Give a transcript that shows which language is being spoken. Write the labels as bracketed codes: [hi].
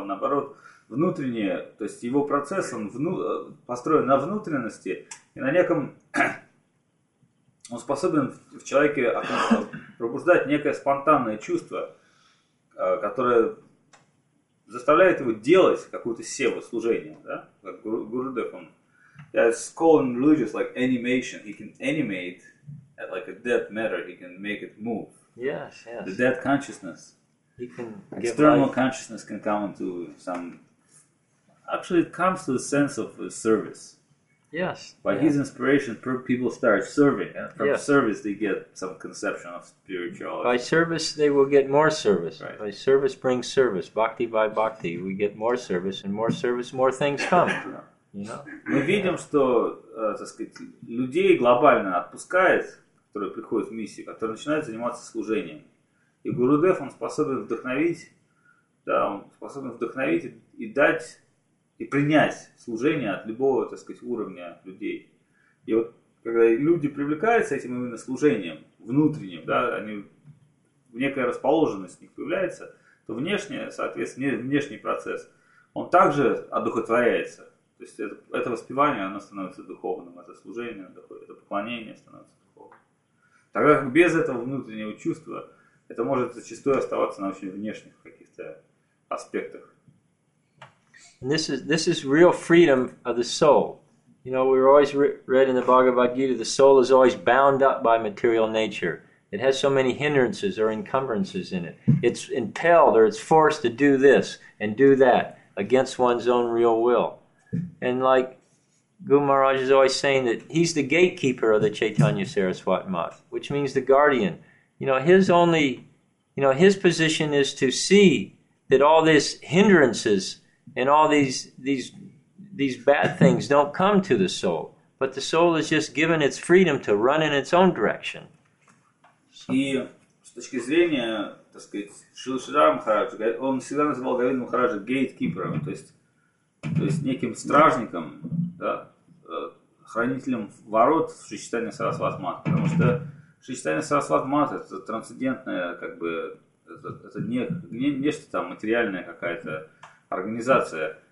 [ru] Он наоборот, внутренне, то есть его процесс он построен на внутренности и на неком... он способен в человеке пробуждать некое спонтанное чувство, которое заставляет его делать какую-то севу, служение. Да? Как Гурудев, он... [en] Yeah, it's called in religious like animation. He can animate at like a dead matter. He can make it move. Yes, yes. The dead consciousness. He can external consciousness can come into some. Actually, it comes to a sense of service. Yes. By his inspiration, people start serving, and from service they get some conception of spirituality. By service, they will get more service. Right. By service brings service. Bhakti by bhakti, we get more service, and more service, more things come. [ru] Мы видим, что, так сказать, людей глобально отпускает, которые приходят в миссию, которые начинают заниматься служением. И Гурудев, он способен вдохновить, да, он способен вдохновить и дать, и принять служение от любого, так сказать, уровня людей. И вот, когда люди привлекаются этим именно служением внутренним, да, они, некая расположенность в них появляется, то внешний, соответственно, внешний процесс, он также одухотворяется. То есть это воспевание, оно становится духовным, это служение, это поклонение становится духовным. Тогда как без этого внутреннего чувства, это может зачастую оставаться на очень внешних каких-то аспектах. [en] And this is real freedom of the soul. You know, we're always read in the Bhagavad Gita, the soul is always bound up by material nature. It has so many hindrances or encumbrances in it. It's impelled or it's forced to do this and do that against one's own real will. And like Guru Maharaj is always saying that he's the gatekeeper of the Chaitanya Saraswat Math, which means the guardian. You know, his only, you know, his position is to see that all these hindrances and all these bad things don't come to the soul, but the soul is just given its freedom to run in its own direction. [ru] И с точки зрения, так сказать, Шрила Шридхара Махараджа, он всегда называл Говинду Махараджа гейткипером, то есть неким стражником, да, хранителем ворот в Шри Чайтанья Сарасвата Матха. Потому что Шри Чайтанья Сарасвата Матха это трансцендентное, как бы, это не что там материальная какая-то организация.